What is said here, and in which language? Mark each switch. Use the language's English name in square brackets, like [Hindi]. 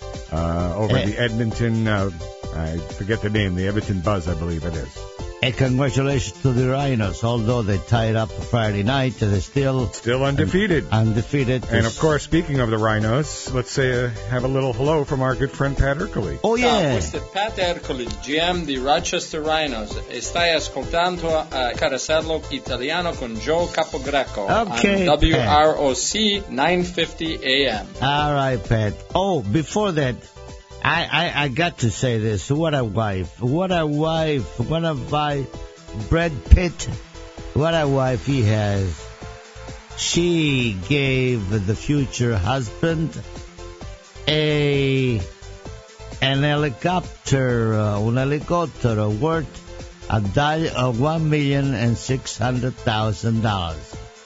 [English] Over the Edmonton, I forget the name, the Edmonton Buzz, I believe it is. And congratulations to the Rhinos. Although they tied up Friday night, they're still undefeated. Undefeated. And of course, speaking of the Rhinos, let's say have a little hello from our good friend Pat Ercoli. Oh yeah. [Italian] Ciao, questo è Pat Ercoli, GM di Rochester Rhinos, e stai ascoltando a Carosello Italiano con Joe Capogreco. [English] Okay. WROC 950 AM. All right, Pat. Oh, before that, I got to say this. What a wife. What a wife. What a wife. Brad Pitt. What a wife he has. She gave the future husband an helicopter, [Italian] un helicottero [English] worth $1,600,000.